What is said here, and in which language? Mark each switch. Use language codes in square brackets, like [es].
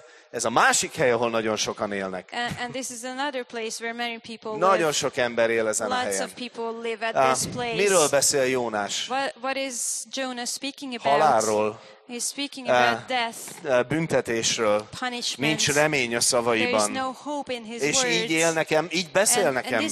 [hu] Ez a másik hely, ahol nagyon sokan élnek. [en] And this is another place where many people live. [hu] Nagyon sok ember él ezen [en] lots [hu] a helyen. [en] Lots of people live at this place. [hu] Miről beszél Jónás? [en] What is Jonah speaking about? [hu] Halálról. [en] He's speaking about death. [hu] Büntetésről. [en] Punishment. [hu] Nincs remény a szavaiban. [en] There is no hope in his [hu] és [en] words. [hu] Így élnek, így beszélnek emberek.